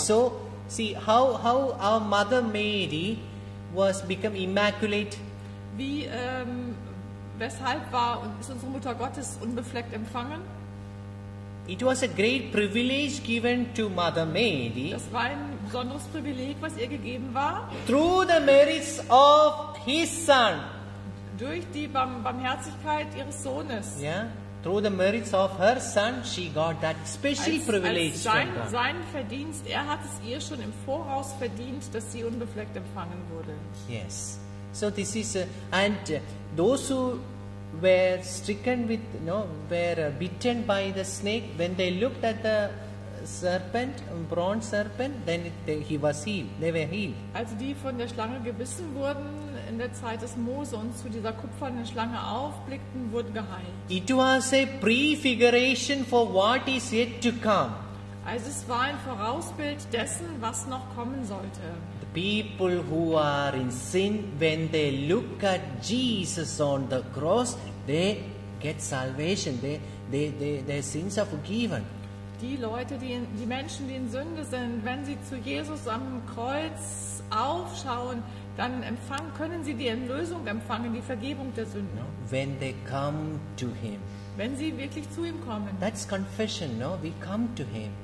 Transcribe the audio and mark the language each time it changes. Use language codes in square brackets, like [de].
[en] So, see how our mother Mary was become immaculate. [de] Wie weshalb war und ist unsere Mutter Gottes unbefleckt empfangen? [en] It was a great privilege given to Mother Mary. [de] Das war ein besonderes Privileg, was ihr gegeben war. [en] Through the merits of his son. [de] Durch die Barmherzigkeit ihres Sohnes. [en] Yeah. Through the merits of her son, she got that special privilege. [de] Sein Verdienst, er hat es ihr schon im Voraus verdient, dass sie unbefleckt empfangen wurde. [en] Yes. So this is and those who were stricken with, you know, were bitten by the snake, when they looked at the serpent, bronze serpent, then he was healed. They were healed. [de] Also die von der Schlange gebissen wurden in der Zeit des Mose und zu dieser kupfernen Schlange aufblickten, wurden geheilt. [en] It was a prefiguration for what is yet to come. [de] Also es war ein Vorausbild dessen, was noch kommen sollte. [en] The people who are in sin, when they look at Jesus on the cross, they get salvation. Their sins are forgiven. [de] Die Leute, die Menschen, die in Sünde sind, wenn sie zu Jesus am Kreuz aufschauen, dann empfangen, können sie die Erlösung empfangen, die Vergebung der Sünden. [en] No, when they come to him. [de] Wenn sie wirklich zu ihm kommen. [en] That's confession, no? We come to him.